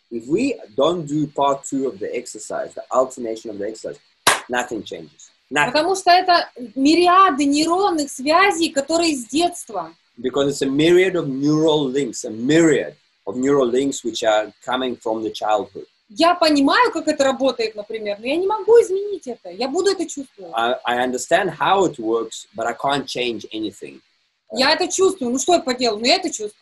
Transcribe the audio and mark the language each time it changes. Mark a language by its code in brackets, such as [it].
[en] If we don't do part two of the exercise, the alternation of the exercise, nothing changes. Nothing. [ru] Потому что это мириады нейронных связей, которые с детства. [en] Because it's a myriad of neural links, a myriad. Of neural links, which are coming from the childhood. [ru] Я понимаю, как это работает, например, но я не могу изменить это. Я буду это чувствовать. [en] I understand how it works, but I can't change anything. [ru] Я это чувствую. Ну что я поделаю? Ну я это чувствую.